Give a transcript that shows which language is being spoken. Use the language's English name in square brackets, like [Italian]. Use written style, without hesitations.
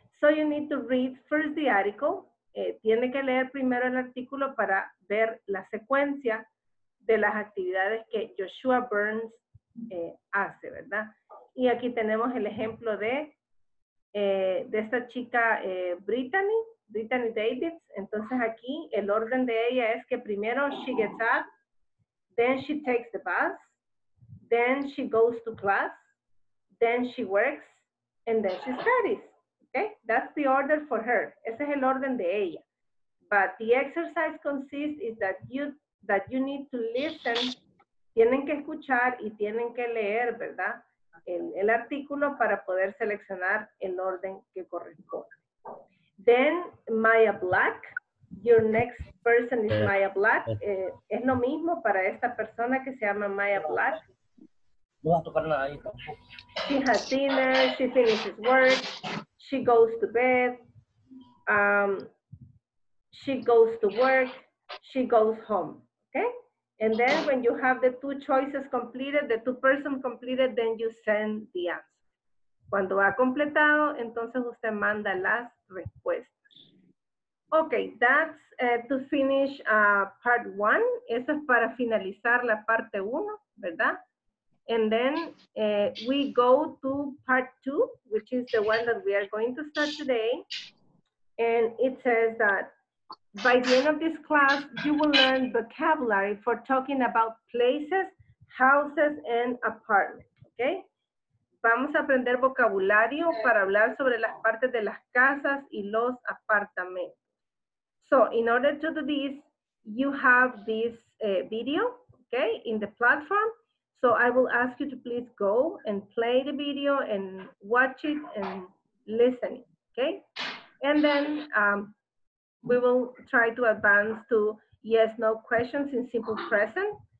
[English] So you need to read first the article. [Spanish] Tiene que leer primero el artículo para ver la secuencia de las actividades que Joshua Burns hace, ¿verdad? Y aquí tenemos el ejemplo de esta chica Brittany Davids. Entonces aquí el orden de ella es que primero [English] she gets up, then she takes the bus, then she goes to class, then she works, and then she studies. Okay, that's the order for her. [Spanish] Ese es el orden de ella. [English] But the exercise consists is that you need to listen. [Spanish] Tienen que escuchar y tienen que leer, ¿verdad? El artículo para poder seleccionar el orden que corresponde. [English] Then Maya Black, your next person is Maya Black. [Spanish] Es lo mismo para esta persona que se llama Maya Black. No va a tocar nada ahí tampoco. [English] She has dinner, she finishes work, she goes to bed, she goes to work, she goes home, okay? And then when you have the two choices completed, the two person completed, then you send the answer. [Spanish] Cuando ha completado, entonces usted manda las respuestas. [English] Okay, that's to finish part one. [Spanish] Eso es para finalizar la parte uno, ¿verdad? [English] And then we go to part two, which is the one that we are going to start today. And it says that by the end of this class, you will learn vocabulary for talking about places, houses, and apartments, okay? [Spanish] vamos a aprender vocabulario para hablar sobre las partes de las casas y los apartamentos. [English] So, in order to do this, you have this video, okay, in the platform. So, I will ask you to please go and play the video and watch it and listen, okay? And then we will try to advance to yes, no questions in simple present.